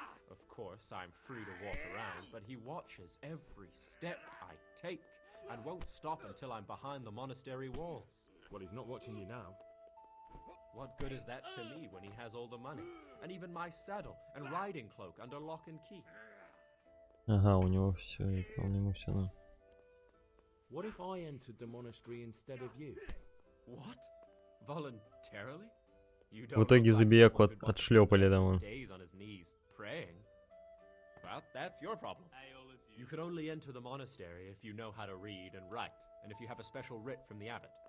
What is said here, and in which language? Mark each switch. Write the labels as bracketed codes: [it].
[en] Of course, I'm free to walk around, but he watches every step I take and won't stop until I'm behind the monastery walls. Well, he's not watching you now. What good is that to me when he has all the money, and even my saddle and riding cloak under lock and key? [ru] Ага, у него все это, у него все на. [en] What if I entered the monastery instead of you? What? Voluntarily? You don't. [ru] В итоге забияку отшлепали, да, он. [en] Stays on his knees praying. Well, that's your problem. You could only enter the monastery if you know how to read and write, and if you have a special writ from the abbot.